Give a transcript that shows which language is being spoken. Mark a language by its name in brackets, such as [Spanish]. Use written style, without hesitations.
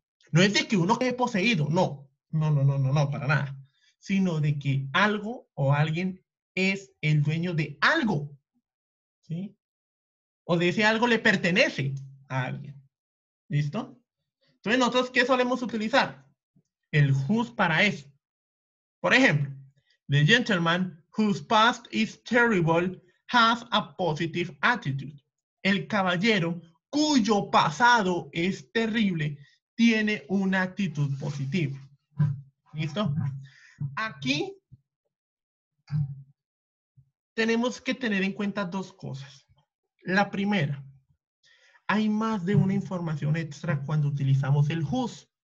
[Spanish] No es de que uno quede poseído, no, para nada. Sino de que algo o alguien es el dueño de algo, ¿sí? O de ese algo le pertenece a alguien, ¿listo? Entonces, ¿nosotros qué solemos utilizar? El whose para eso. Por ejemplo, [English] the gentleman whose past is terrible has a positive attitude. [Spanish] El caballero cuyo pasado es terrible tiene una actitud positiva. ¿Listo? Aquí tenemos que tener en cuenta dos cosas. La primera, hay más de una información extra cuando utilizamos el whose.